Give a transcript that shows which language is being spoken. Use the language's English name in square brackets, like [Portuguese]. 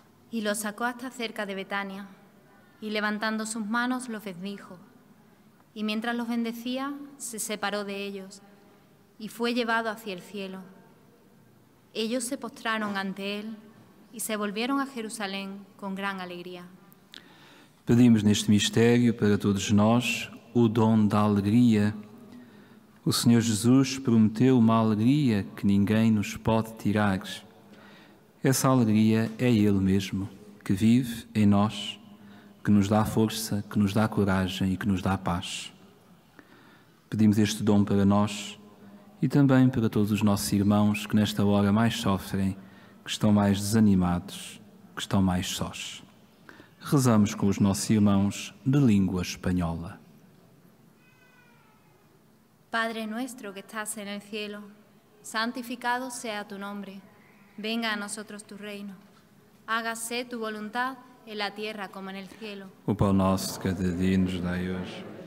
[Spanish] Y los sacó hasta cerca de Betania, y levantando sus manos los bendijo. Y mientras los bendecía, se separó de ellos, y fue llevado hacia el cielo. Ellos se postraron ante él, y se volvieron a Jerusalén con gran alegría. [Portuguese] Pedimos neste mistério para todos nós o dom da alegria. O Senhor Jesus prometeu uma alegria que ninguém nos pode tirar. Essa alegria é Ele mesmo, que vive em nós, que nos dá força, que nos dá coragem e que nos dá paz. Pedimos este dom para nós e também para todos os nossos irmãos que nesta hora mais sofrem, que estão mais desanimados, que estão mais sós. Rezamos com os nossos irmãos de língua espanhola. [Spanish] Padre nuestro que estás en el cielo, santificado sea tu nombre. Venga a nosotros tu reino. Hágase tu voluntad en la tierra como en el cielo. [Portuguese] O pão nosso de cada dia nos dai hoje.